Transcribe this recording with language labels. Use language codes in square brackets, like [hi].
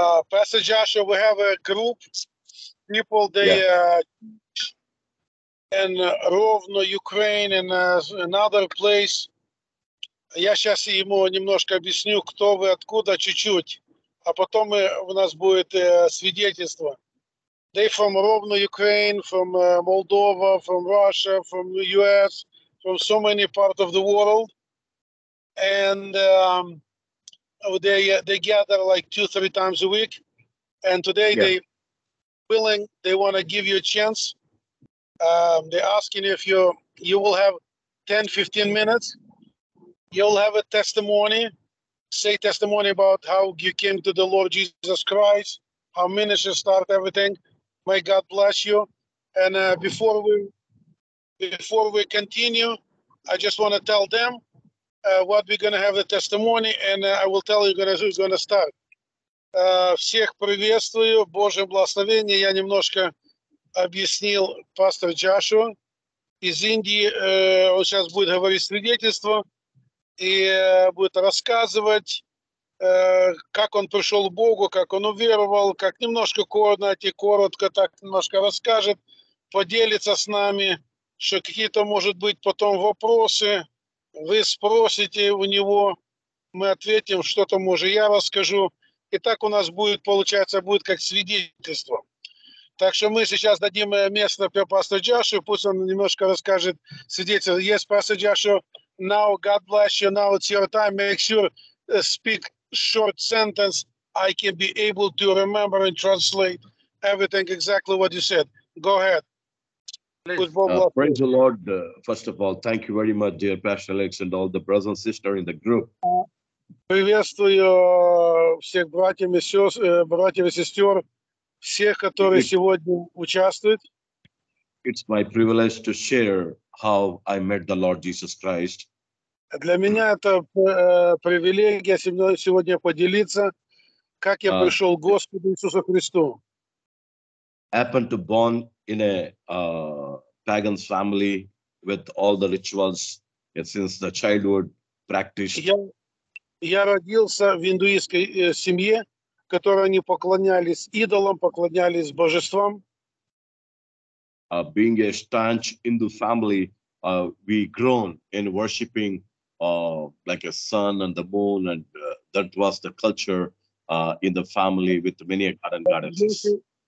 [en] Pastor Joshua, we have a group people, they in Rovno, Ukraine, and another place. [ru] Я сейчас ему немножко объясню, кто вы, откуда, чуть-чуть. А потом у нас будет свидетельство. [en] They from Rovno, Ukraine, from Moldova, from Russia, from the US, from so many parts of the world. And they gather like 2-3 times a week, and today they want to give you a chance. They're asking if you will have 10-15 minutes. You'll have a testimony, say testimony about how you came to the Lord Jesus Christ, how ministry start everything. May God bless you. And before we continue, I just want to tell them what we're going to have the testimony, and I will tell you guys who's going to start. [ru] Всех приветствую, Божье благословение. Я немножко объяснил пастор Джошуа из Индии. Он сейчас будет говорить свидетельство и будет рассказывать. как он пришел к Богу, как он уверовал, как немножко коротко так немножко расскажет, поделится с нами, что какие-то, может быть, потом вопросы, вы спросите у него, мы ответим, что-то, может, я расскажу. И так у нас будет, получается, будет как свидетельство. Так что мы сейчас дадим место пастору Джошу, пусть он немножко расскажет свидетельство. [en] Yes, Pastor Joshua, now God bless you, now it's your time, make sure speak short sentence, I can be able to remember and translate everything exactly what you said. Go ahead. Praise the Lord, first of all. Thank you very much, dear Pastor Alex and all the brothers and sisters in the group. [ru] Приветствую всех братьев и сестер, всех, которые сегодня участвуют. [en] It's my privilege to share how I met the Lord Jesus Christ. [ru] Для меня это привилегия сегодня поделиться, как я пришел к Господу Иисусу Христу. [en] Happened to born in a pagan family with all the rituals since the childhood practiced. [ru] Я родился в индуистской семье, которой они поклонялись идолам, поклонялись божествам. [en] Being a staunch Hindu family, we grown in worshiping like a sun and the moon, and that was the culture in the family with many god and goddesses.